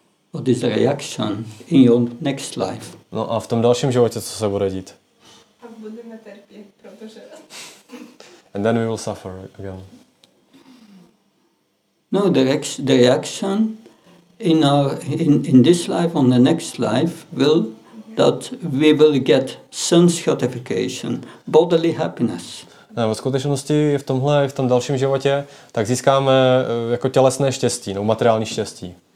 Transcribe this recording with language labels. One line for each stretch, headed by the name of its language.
English: What is the reaction in your next life?
Czech: No a v tom dalším životě co se bude dít? A budeme trpět, protože...
English: And then we will suffer again. No, the reaction in our in this life on the next life will that we will get sense gratification, bodily happiness.
Czech: Ne, ve skutečnosti v tomhle i v tom dalším životě tak získáme jako tělesné štěstí, no materiální štěstí.